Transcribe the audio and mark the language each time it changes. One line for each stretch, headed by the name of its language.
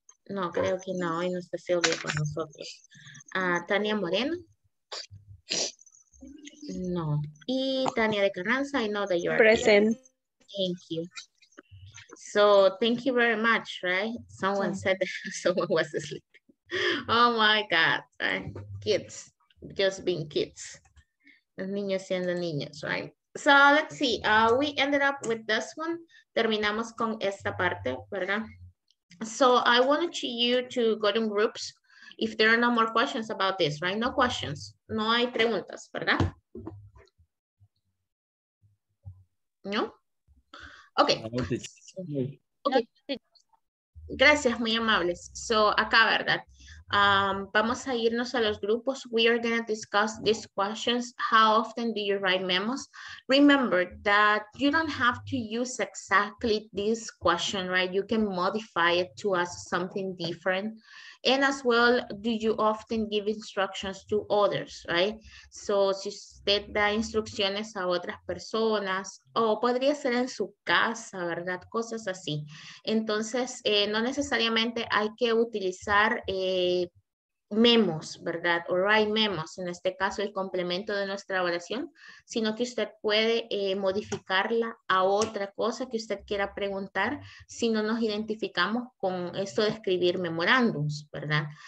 Spanish: No, creo que no, hoy no está Silvia con nosotros. Tania Moreno. No.
English: Y Tania de Carranza, I know that you are present. Here. Thank you. So thank you very much, right? Someone said that someone was asleep. Oh my God. Kids, just being kids.
Spanish: Niños siendo niños,
English: right? So let's see. We ended up with this one.
Spanish: Terminamos con esta parte, ¿verdad?
English: So I wanted you to go to groups if there are no more questions about this, right? No questions.
Spanish: No hay preguntas, ¿verdad? No? Okay. Okay. Gracias, muy amables. So, acá, ¿verdad? Vamos a irnos a los grupos.
English: We are going to discuss these questions. How often do you write memos? Remember that you don't have to use exactly this question, right? You can modify it to ask something different. And as well, do you often give instructions to others, right?
Spanish: So, si usted da instrucciones a otras personas, o podría ser en su casa, ¿verdad? Cosas así. Entonces, no necesariamente hay que utilizar memos, ¿verdad? O
English: write memos,
Spanish: en este caso el complemento de nuestra oración, sino que usted puede modificarla a otra cosa que usted quiera preguntar si no nos identificamos con esto de escribir memorándums, ¿verdad?